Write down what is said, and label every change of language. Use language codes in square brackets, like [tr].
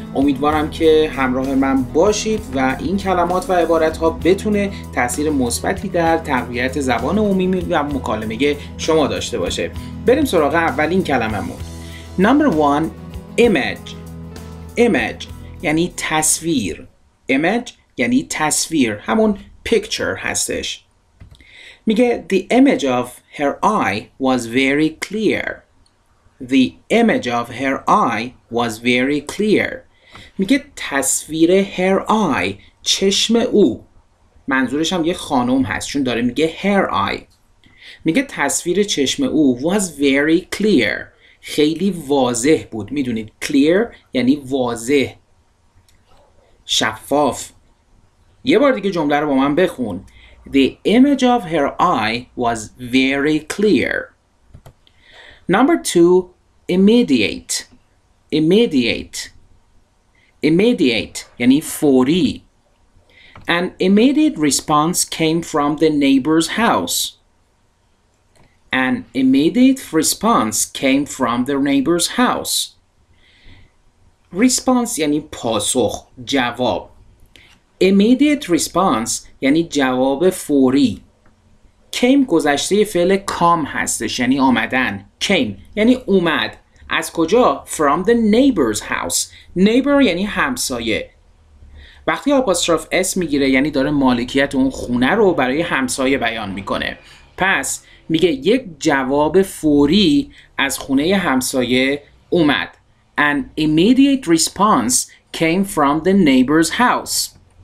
[fa] امیدوارم که همراه من باشید و این کلمات و عبارت ها بتونه تأثیر مثبتی در تقویت زبان عمومی و مکالمه شما داشته باشه. بریم سراغ اولین کلمه مون. [en] Number one, image. Image [fa] یعنی تصویر. Image یعنی تصویر، همون picture هستش. [en] میگه the image of her eye was very clear. The image of her eye was very clear. [fa] میگه تصویر [en] her eye، [fa] چشم او، منظورش هم یه خانم هست چون داره میگه her eye. میگه تصویر چشم او [en] was very clear، [fa] خیلی واضح بود. میدونید clear یعنی واضح، شفاف. یه بار دیگه جمله رو با من بخون. [en] The image of her eye was very clear. Number two, immediate. Immediate. Immediate [fa] یعنی فوری. [en] An immediate response came from the neighbor's house. An immediate response came from the neighbor's house. [fa] Response یعنی پاسخ، جواب. [en] Immediate response [fa] یعنی جواب فوری. Came گذشته فعل come هستش، یعنی آمدن. [en] Came [fa] یعنی اومد. از کجا؟ [en] From the neighbor's house. [fa] Neighbor یعنی همسایه. وقتی آپاستروف اس میگیره یعنی داره مالکیت اون خونه رو برای همسایه بیان میکنه. پس میگه یک جواب فوری از خونه همسایه اومد. [en] An immediate response came from the neighbor's house.